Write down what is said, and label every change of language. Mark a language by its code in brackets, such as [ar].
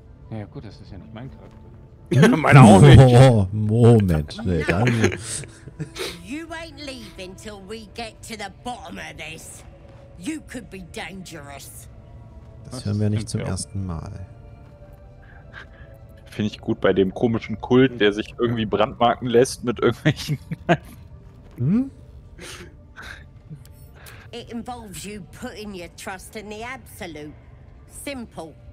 [de] Ja gut, das ist ja nicht mein Charakter. Meine auch nicht. Oh, Moment. Nee, dann. [en] You ain't leaving till we get to the bottom of this. You could be dangerous. [de] Das hören wir nicht zum ersten Mal. Finde ich gut bei dem komischen Kult, der sich irgendwie brandmarken lässt mit irgendwelchen... [en] It involves you putting your trust in the Absolute. Simple.